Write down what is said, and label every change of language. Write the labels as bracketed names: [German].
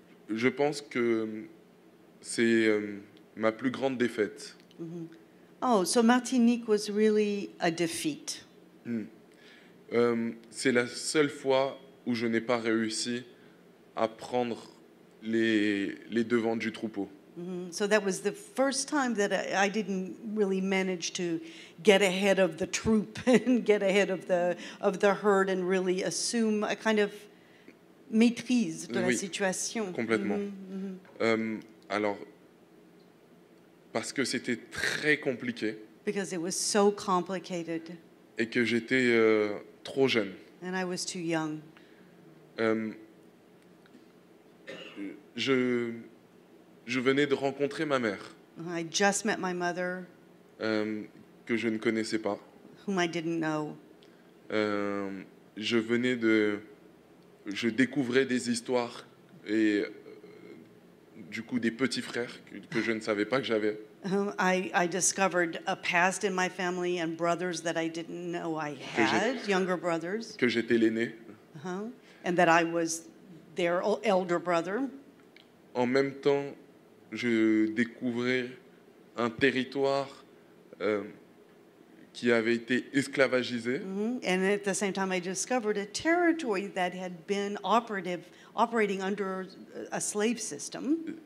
[French] Je pense que c'est ma plus grande défaite. [English] Mm-hmm. Oh, so Martinique was really a defeat. [French] C'est la seule fois où je n'ai pas réussi à prendre les devants du troupeau. Mm-hmm. [English] So that was the first time that I didn't really manage to get ahead of the troop and get ahead of the herd and really assume a kind of [French] maîtrise de oui, la situation. Complètement. Mm-hmm. Alors, parce que c'était très compliqué. [English] Because it was so complicated. [French] Et que j'étais trop jeune. [English] And I was too young. [French] Je venais de rencontrer ma mère. [English] I just met my mother. [French] Que je ne connaissais pas. [English] Whom I didn't know. [French] Je découvrais des histoires et du coup des petits frères que je ne savais pas que j'avais. [English] I discovered a past in my family and brothers that I didn't know I had, younger brothers. [French] Que j'étais l'aîné. [English] Uh-huh. And that I was their elder brother. [French] En même temps, je découvrais un territoire qui avait été esclavagisé. Mm-hmm. [English] And at the same time, I discovered a territory that had been operating under a slave system.